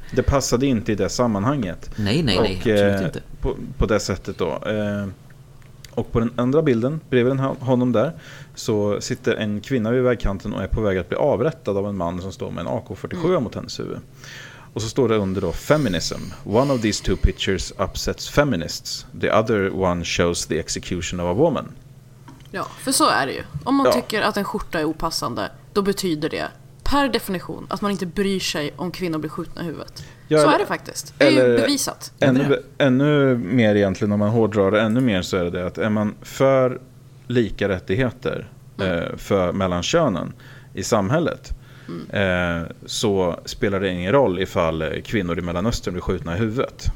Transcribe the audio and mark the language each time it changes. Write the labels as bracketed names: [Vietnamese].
[Swedish] Det passade inte i det sammanhanget. Nej, absolut inte. På det sättet då. Och på den andra bilden, bredvid honom där, så sitter en kvinna vid vägkanten och är på väg att bli avrättad av en man som står med en AK-47 mot hennes huvud. Och så står det under då, feminism. [English] One of these two pictures upsets feminists. The other one shows the execution of a woman. [Swedish] Ja, för så är det ju. Om man tycker att en skjorta är opassande, då betyder det per definition att man inte bryr sig om kvinnor blir skjutna i huvudet. Ja, så är det faktiskt. Det är ju bevisat. Ännu mer egentligen, om man hårdrar det ännu mer, så är det att är man för lika rättigheter för mellan könen i samhället, så spelar det ingen roll ifall kvinnor i Mellanöstern blir skjutna i huvudet.